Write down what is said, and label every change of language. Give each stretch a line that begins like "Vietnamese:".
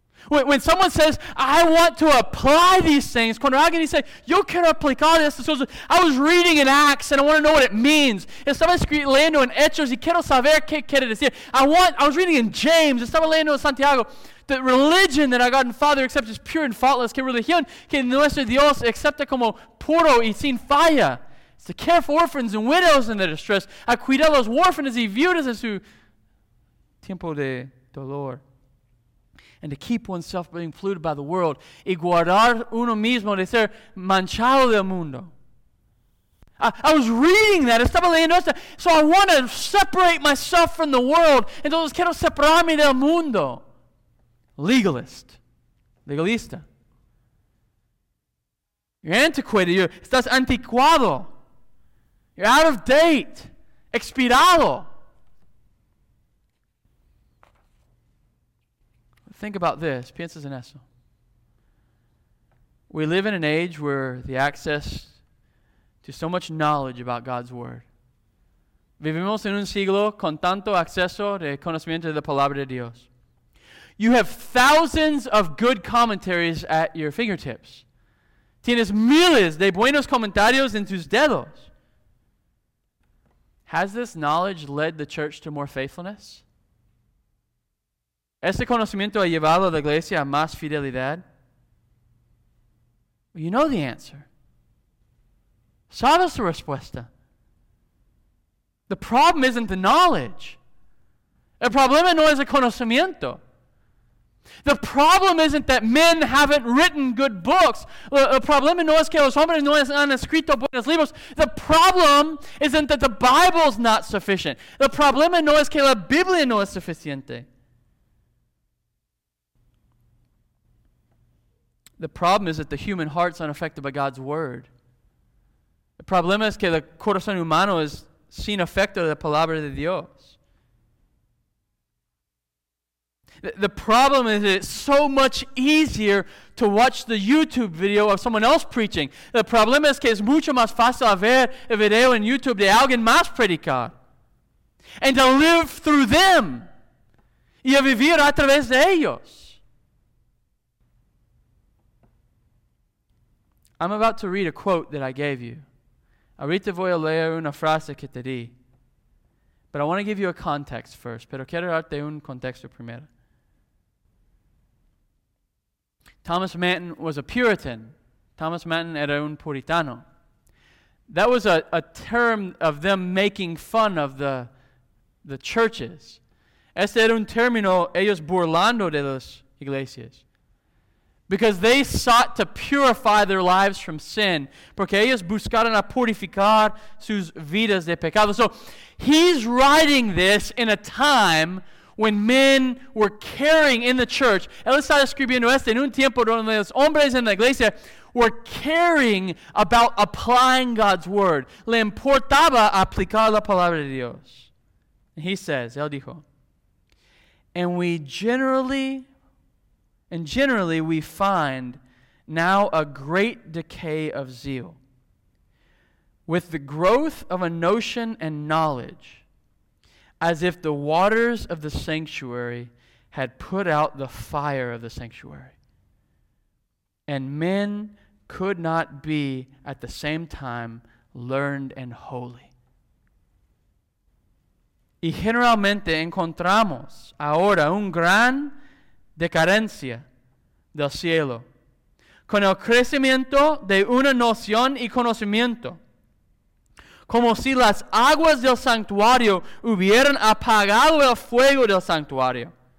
English: When someone says, I want to apply these things,
Spanish: cuando alguien dice, yo quiero aplicar estas cosas,
English: I was reading in Acts and I want to know what it means.
Spanish: Estaba leyendo en Hechos y quiero saber qué quiere decir.
English: I was reading in James,
Spanish: estaba leyendo en Santiago.
English: The religion that our God and Father accepts is pure and faultless.
Spanish: Que religión que nuestro Dios acepta como puro y sin falla.
English: It's to care for orphans and widows in their distress.
Spanish: A cuidar los huérfanos y viudas en su tiempo de dolor.
English: And to keep oneself being polluted by the world.
Spanish: Y guardar uno mismo de ser manchado del mundo.
English: I was reading that.
Spanish: Estaba leyendo esto.
English: So I want to separate myself from the world.
Spanish: Entonces quiero separarme del mundo.
English: Legalist.
Spanish: Legalista.
English: You're antiquated.
Spanish: Estás anticuado.
English: You're out of date.
Spanish: Expirado.
English: Think about this.
Spanish: Piensas en eso.
English: We live in an age where the access to so much knowledge about God's word.
Spanish: Vivimos en un siglo con tanto acceso de conocimiento de la palabra de Dios.
English: You have thousands of good commentaries at your fingertips.
Spanish: Tienes miles de buenos comentarios en tus dedos.
English: Has this knowledge led the church to more faithfulness?
Spanish: ¿Este conocimiento ha llevado a la iglesia a más fidelidad?
English: Well, you know the answer.
Spanish: ¿Sabes la respuesta?
English: The problem isn't the knowledge.
Spanish: El problema no es el conocimiento.
English: The problem isn't that men haven't written good books.
Spanish: El problema no es que los hombres no han escrito buenos libros.
English: The problem isn't that the Bible's not sufficient.
Spanish: El problema no es que la Biblia no es suficiente.
English: The problem is that the human heart's unaffected by God's word.
Spanish: El problema es que el corazón humano es sin efecto de la palabra de Dios.
English: The problem is that it's so much easier to watch the YouTube video of someone else preaching. The problem is
Spanish: que es mucho más fácil ver el video en YouTube de alguien más predicar.
English: And to live through them.
Spanish: Y a vivir a través de ellos.
English: I'm about to read a quote that I gave you.
Spanish: Ahorita voy a leer una frase que te di.
English: But I want to give you a context first.
Spanish: Pero quiero darte un contexto primero.
English: Thomas Manton was a Puritan.
Spanish: Thomas Manton era un puritano.
English: That was a term of them making fun of the churches.
Spanish: Este era un término ellos burlando de las iglesias.
English: Because they sought to purify their lives from sin.
Spanish: Porque ellos buscaron a purificar sus vidas de pecado.
English: So he's writing this in a time when men were carrying in the church.
Spanish: Él está escribiendo esto en un tiempo donde los hombres en la iglesia
English: were caring about applying God's word.
Spanish: Le importaba aplicar la palabra de Dios.
English: And he says,
Spanish: él dijo,
English: and we generally we find now a great decay of zeal with the growth of a notion and knowledge as if the waters of the sanctuary had put out the fire of the sanctuary. And men could not be at the same time learned and holy.
Spanish: Y generalmente encontramos ahora un gran decadencia del cielo con el crecimiento de una noción y conocimiento. Como si las aguas del santuario hubieran apagado el fuego del santuario.